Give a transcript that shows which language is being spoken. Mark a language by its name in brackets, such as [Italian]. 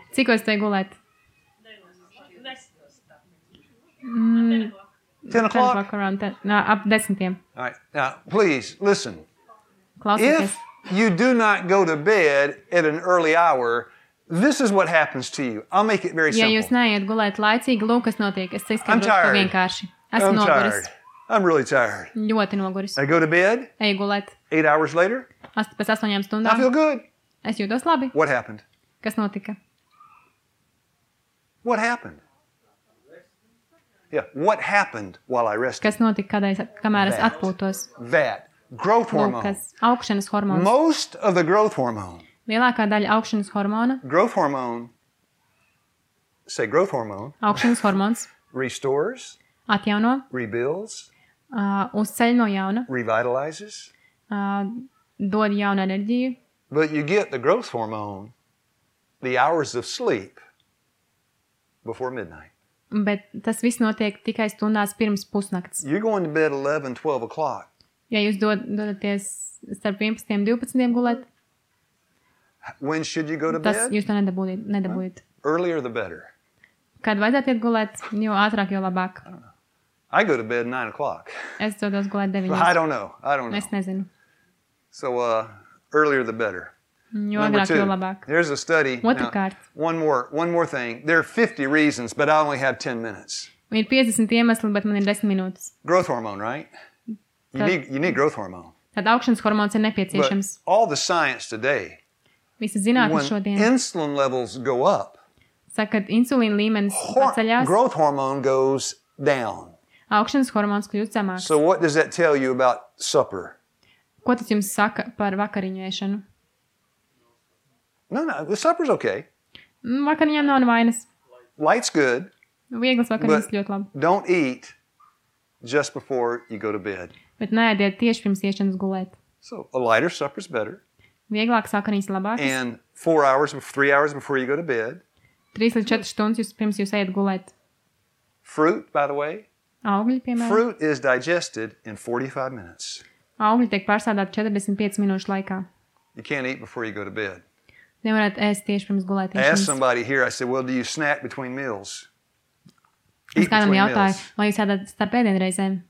[Latvian] Cik vēl stāj gulēt? [English] 10 o'clock? [Latvian] Ap 10:00. [English] All right. Now, please, listen. [Latvian] Klausies. [English] If you do not go to bed at an early hour, this is what happens to you. I'll make it very simple. [Latvian] Ja jūs neiet gulēt laicīgi, lūk, kas notiek. Es cik skatu vienkārši. Esmu noguris. [English] I'm really tired. [Latvian] Ļoti noguris. [English] I go to bed. [Latvian] Eju gulēt. [English] 8 hours later. [Latvian] Pēc 8 stundām. [English] I feel good. [Latvian] Es jūtos labi. [English] What happened? [Latvian] Kas notika? [English] What happened? Yeah, what happened while I rested? [Latvian] Kas notika, kamēr es atpūtos? [English] That. Growth hormone. Kas [Latvian] augšanas hormons. [English] Most of the growth hormone. [Latvian] Lielākā daļa augšanas hormona. [English] Growth hormone. Say growth hormone. [Latvian] Augšanas hormons. [English] Restores. [Latvian] Atjauno. [English] Rebuilds. [Latvian] Uzceļ no jauna. [English] Revitalizes. [Latvian] Dod jaunu enerģiju. [English] But you get the growth hormone, the hours of sleep, before midnight. [Latvian] Bet tas viss notiek tikai stundās pirms pusnakts. [English] You're going to bed 11-12 o'clock. [Latvian] Ja jūs dodaties starp 11-12 gulēt. [English] When should you go to [Latvian] tas [English] bed? [Latvian] Jūs to nedabūjat. [English] Earlier the better. [Latvian] Kad vajadzētu iet gulēt, jo ātrāk, jo labāk. [English] I go to bed 9 o'clock. [Latvian] Es dodos gulēt 9. [English] I don't know. I don't know. [Latvian] Es nezinu. [English] So, earlier the better. [Latvian] Jo agrāk, jo labāk. [English] There's a study. [Latvian] Otrakārt. [English] One more thing. There are 50 reasons, but I only have 10 minutes. [Latvian] Ir 50 iemesli, bet man ir 10 minūtes. [English] Growth hormone, right? You need growth hormone. [Latvian] Tad augšanas hormons ir nepieciešams. [English] But all the science today. [Latvian] Visa zinātne šodien. [English] When insulin levels go up. [Latvian] Saka, kad insulīna līmenis paceļās. [English] Growth hormone goes down. [Latvian] Augšanas hormons kļūst zemāks. [English] So what does that tell you about supper? [Latvian] Ko tas jums saka par vakariņu ēšanu? [English] No, the supper's okay. [Latvian] Vakariņām nav vainas. [English] Light's good. [Latvian] Viegls vakariņas ļoti labi. [English] Don't eat just before you go to bed. [Latvian] Bet neēdiet tieši pirms iešanas gulēt. [English] So, a lighter supper's better. [Latvian] Vieglāks vakariņas labāks. [English] And 4 hours or 3 hours before you go to bed. [Latvian] 3 līdz 4 stundas jūs pirms jūs ejat gulēt. [English] Fruit, by the way. [Latvian] Augļi, piemēram. [English] Fruit is digested in 45 minutes. [Latvian] Augļi tiek pārsādāti 45 minūšu laikā. [English] You can't eat before you go to bed. [Latvian] Nevarat ēst tieši pirms gulēt. [English] Ask somebody here, I said, well, do you snack between meals? [Latvian] Es kādam jautāju, vai jūs ēdat starp ēdienu reizēm?